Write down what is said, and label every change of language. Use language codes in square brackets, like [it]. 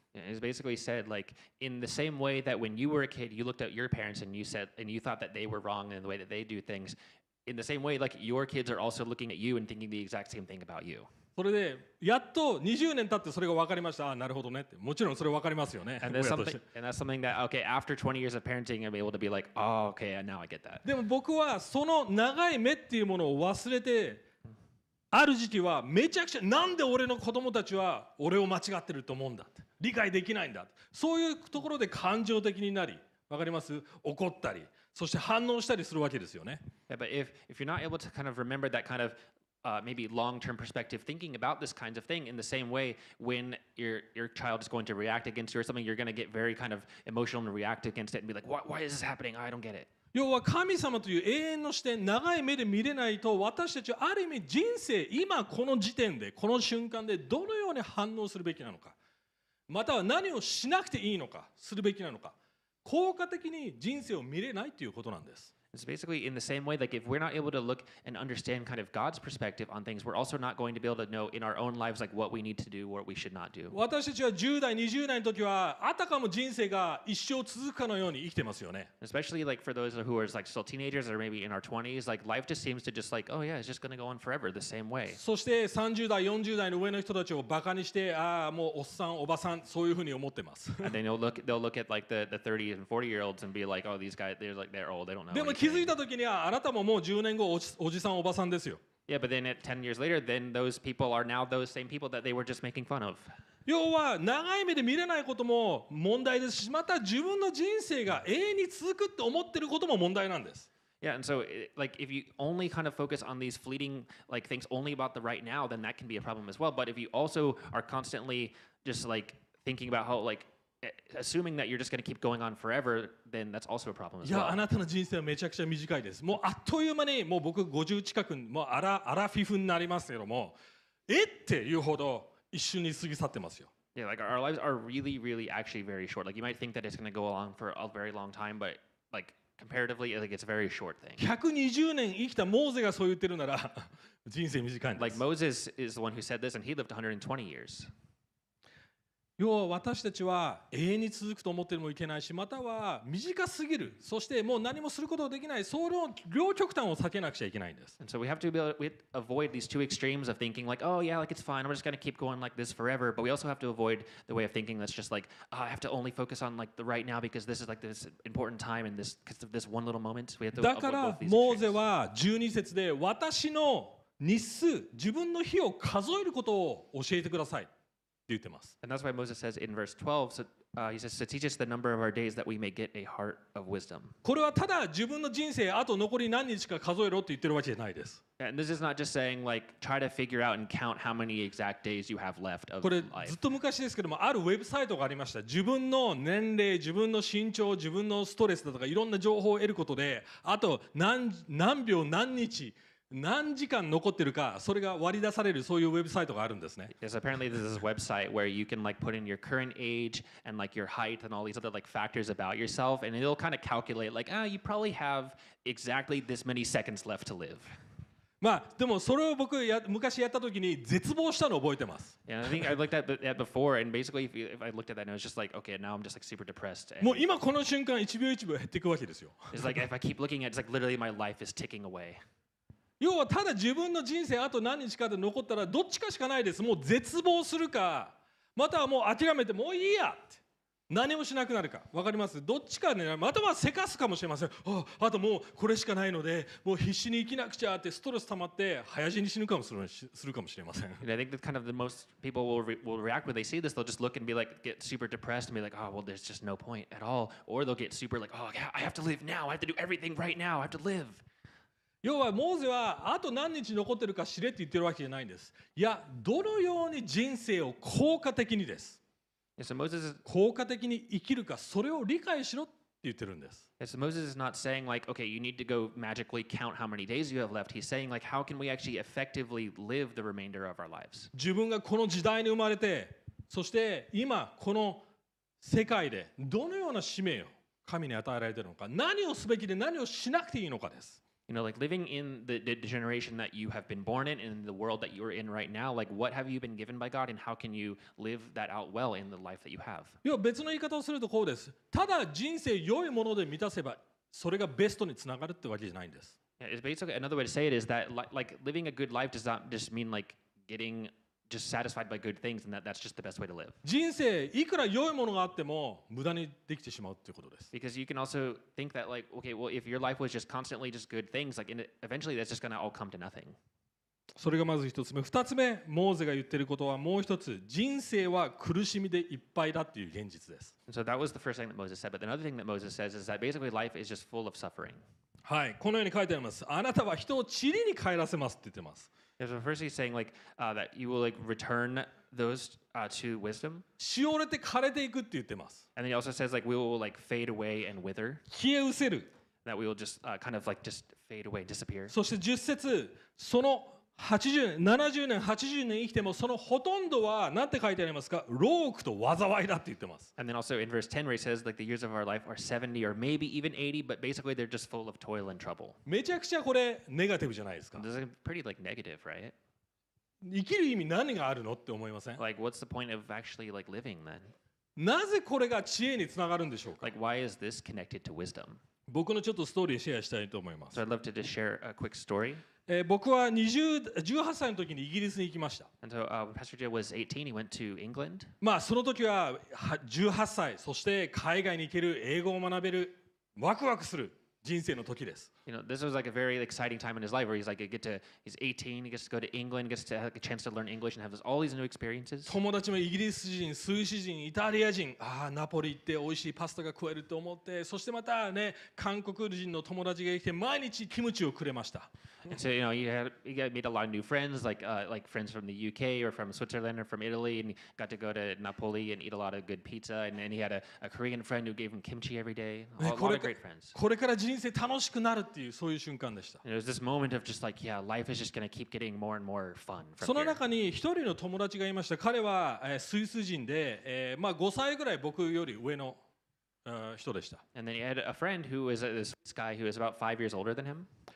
[en] Yeah, it's basically said like in the same way that when you were a kid, you looked at your parents and you said and you thought that they were wrong in the way that they do things. In the same way, like your kids are also looking at you and thinking the exact same thing about you. [ja] それでやっと20年経ってそれが分かりました。ああ、なるほどねって。もちろんそれ分かりますよね。 [en] And that's something that okay after 20 years of parenting, I'm able to be like, oh, okay, now I get that. [ja] でも僕はその長い目っていうものを忘れて。ある時期はめちゃくちゃ、なんで俺の子供たちは俺を間違ってると思うんだ、理解できないんだ、そういうところで感情的になり、わかります？怒ったり、そして反応したりするわけですよね。 [en] Yeah, but if you're not able to kind of remember that kind of、maybe long-term perspective thinking about this kind of thing in the same way when your child is going to react against you or something, you're going to get very kind of emotional and react against it and be like, why is this happening? I don't get it. [ja] 要は神様という永遠の視点、長い目で見れないと、私たちはある意味人生、今この時点で、この瞬間でどのように反応するべきなのか、または何をしなくていいのか、するべきなのか、効果的に人生を見れないということなんです。 [en] It's basically in the same way, like if we're not able to look and understand kind of God's perspective on things, we're also not going to be able to know in our own lives like what we need to do or what we should not do. [ja] 私たちは10代、20代の時はあたかも人生が一生続くかのように生きてますよね。 [en] Especially like for those who are like still teenagers or maybe in our 20s, like life just seems to just like, oh yeah, it's just going to go on forever the same way. [ja] そして30代、40代の上の人たちをバカにして、ああもうおっさん、おばさん、そういうふうに思ってます。 [en] And then they'll look at like the 30s and 40 year olds and be like, oh, these guys, they're like, they're old, they don't know anything. [ja] 気づいた時にはあなたももう10年後おじさんおばさんですよ。 [en] Yeah, but then 10 years later, then those people are now those same people that they were just making fun of. [ja] 要は長い目で見れないことも問題ですし、また自分の人生が永遠に続くって思ってることも問題なんです。 [en] Yeah, and so like if you only kind of focus on these fleeting like things only about the right now, then that can be a problem as well. But if you also are constantly just like thinking about how like. Assuming that you're just going to keep going on forever, then that's also a problem as well. [ja] いや、あなたの人生はめちゃくちゃ短いです。もうあっという間に、もう僕50近く、もうアラフィフになりますけども、えっていうほど一瞬に過ぎ去ってますよ。 [en] Yeah, like our lives are really, really actually very short. Like you might think that it's going to go along for a very long time, but like comparatively, like it's a very short thing. [ja] 120年生きたモーゼがそう言ってるなら、人生短いんです。 [en] Like Moses is the one who said this, and he lived 120 years. [ja] 要は私たちは永遠に続くと思ってもいけないし、または短すぎる、そしてもう何もすることができない、その両極端を避けなくちゃいけないんです。 [en] And so we have to be able to avoid these two extremes of thinking like, oh yeah, like it's fine, I'm just going to keep going like this forever, but we also have to avoid the way of thinking that's just like, oh, I have to only focus on like the right now because this is like this important time and this because of this one little moment. We have to [ja] だからモーゼは12節で私の日数、自分の日を数えることを教えてくださいって言ってます。 [en] And that's why Moses says in verse 12, so, he says, so teach us the number of our days that we may get a heart of wisdom. [ja] これはただ自分の人生あと残り何日か数えろって言ってるわけじゃないです。 [en] And this is not just saying like, try to figure out and count how many exact days you have left of life. [ja] これずっと昔ですけども、あるウェブサイトがありました。自分の年齢、自分の身長、自分のストレスだとかいろんな情報を得ることで、あと 何秒、何日、何時間残ってるか、それが割り出される、そういうウェブサイトがあるんですね。 [en] Yes, apparently this is a website where you can like put in your current age and like your height and all these other like factors about yourself, and it'll kind of calculate like, ah, you probably have exactly this many seconds left to live. [ja] まあ、でもそれを僕や昔やった時に絶望したのを覚えてます。 [en] Yeah, I think I looked at that before, and basically if I looked at that, and it was just like, okay, now I'm just like super depressed. [ja] もう今この瞬間、1秒1秒減っていくわけですよ。 [en] It's like if I keep looking at it, it's like literally my life is ticking away. [ja] 要はただ自分の人生あと何日かで残ったらどっちかしかないです。もう絶望するか、またはもう諦めてもういいやって何もしなくなるか、分かります？どっちかね、またはせかすかもしれません。あともうこれしかないので、もう必死に生きなくちゃってストレス溜まって早死に死ぬかもするかもしれません。 [en] And I think that kind of the most people will react when they see this, they'll just look and be like, get super depressed and be like, oh well, there's just no point at all, or they'll get super like, oh yeah, I have to live now, I have to do everything right now, I have to live. [ja] 要はモーゼはあと何日残ってるか知れって言ってるわけじゃないんです。いや、どのように人生を効果的にです。 [en] Yeah, so、Moses is, [ja] 効果的に生きるか、それを理解しろって言ってるんです。 [en] Yeah, so、Moses is not saying like, okay, you need to go magically count how many days you have left. He's saying like, how can we actually effectively live the remainder of our lives? [ja] 自分がこの時代に生まれて、そして今この世界でどのような使命を神に与えられてるのか、何をすべきで何をしなくていいのかです。 [en] You know, like living in the generation that you have been born in and in the world that you're in right now, like what have you been given by God and how can you live that out well in the life that you have? [ja] 要は別の言い方をするとこうです。ただ人生良いもので満たせばそれがベストにつながるってわけじゃないんです。 [en] Yeah, it's basically another way to say it is that like living a good life does not just mean like getting just satisfied by good things and that's just the best way to live. [ja] 人生いくら良いものがあっても無駄にできてしまうということです。 [en] Because you can also think that like, okay, well if your life was just constantly just good things, like eventually that's just going to all come to nothing. [ja] それがまず一つ目。二つ目、モーゼが言っていることはもう一つ、人生は苦しみでいっぱいだっていう現実です。 [en] So that was the first thing that Moses said. But another thing that Moses says is that basically life is just full of suffering. [ja] はい、このように書いてあります。あなたは人を塵に帰らせますって言ってます。 [en] Yeah, so first he's saying like, that you will like return those, to wisdom. [ja] しおれて枯れていくって言ってます。 [en] And he also says like we will like fade away and wither. [ja] 消え失せる。 [en] That we will just, kind of like just fade away, disappear. [ja] そして十節、その70年、80年生きてもそのほとんどは何て書いてありますか？老苦と災いだって言ってます。 [en] And then also in verse 10 where he says like the years of our life are 70 or maybe even 80, but basically they're just full of toil and trouble. [ja] めちゃくちゃこれネガティブじゃないですか。 [en] This is pretty like negative, right? [ja] 生きる意味何があるのって思いません？ [en] Like what's the point of actually like living then? [ja] なぜこれが知恵につながるんでしょうか？ [en] Like why is this connected to wisdom? [ja] 僕のちょっとストーリーシェアしたいと思います。 [en] So I'd love to just share a quick story. [ja] 僕は18歳の時にイギリスに行きました。 [en] So, Pastor Joe was 18, he went to England. [ja] まあその時は18歳、そして海外に行ける、英語を学べる、ワクワクする人生の時です。 [en] You know, this was like a very exciting time in his life where he's like, he's 18, he gets to go to England, gets to have a chance to learn English and have all these new experiences. [ja] 友達もイギリス人、スイス人、イタリア人、ああ、ナポリ行って美味しいパスタが食えると思って、そしてまたね、韓国人の友達が来て毎日キムチをくれました。 [en] And so, you know, he made a lot of new friends, like friends from the UK or from Switzerland or from Italy, and got to go to Napoli and eat a lot of good pizza. And then he had a Korean friend who gave him kimchi every day. A lot of great friends. [ja] これから人生楽しくなるっていう、そういう瞬間でした。 [en] And it was this moment of just like, yeah, life is just going to keep getting more and more fun. [ja] その中に一人の友達がいました。彼は、スイス人で、まあ5歳ぐらい僕より上の、人でした。 [en] And then he had a friend who was this guy who was about 5 years older than him.